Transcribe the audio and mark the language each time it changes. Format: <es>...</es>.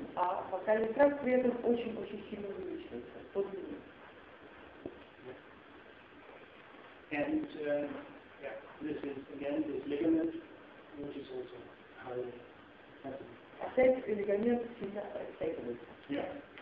<ru>А вокальный тракт при этом очень-очень сильно увеличивается. По длине.</ru> <en>And this is again this ligament, which is also highly extended.</en> <ru>Опять лигамент сильно растягивается.</ru>